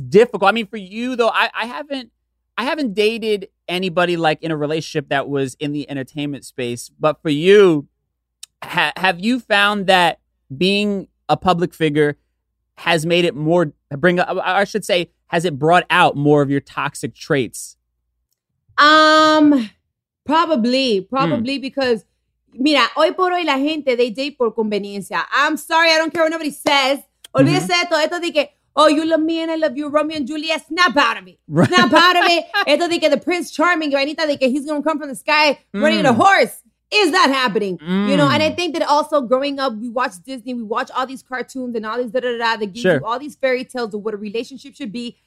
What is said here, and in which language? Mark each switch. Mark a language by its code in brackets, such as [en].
[en] difficult. I mean, for you though, I haven't dated anybody like in a relationship that was in the entertainment space. But for you, have you found that being a public figure has made it more bring up, I should say, has it brought out more of your toxic traits? Probably. Because [es] mira, hoy por hoy la gente, [en] they date [es] por conveniencia. [en] I'm sorry, I don't care what nobody says. [es] Olvídese de todo. Esto de que, [en] oh, you love me and I love you, Romeo and Juliet. Snap out of it. Right. Snap out of it. [es] Esto de que [en] the Prince Charming, [es] vainita de que [en] he's going to come from the sky running a horse. Is that happening? You know, and I think that also growing up, we watch Disney, we watch all these cartoons and all these that give you all these fairy tales of what a relationship should be.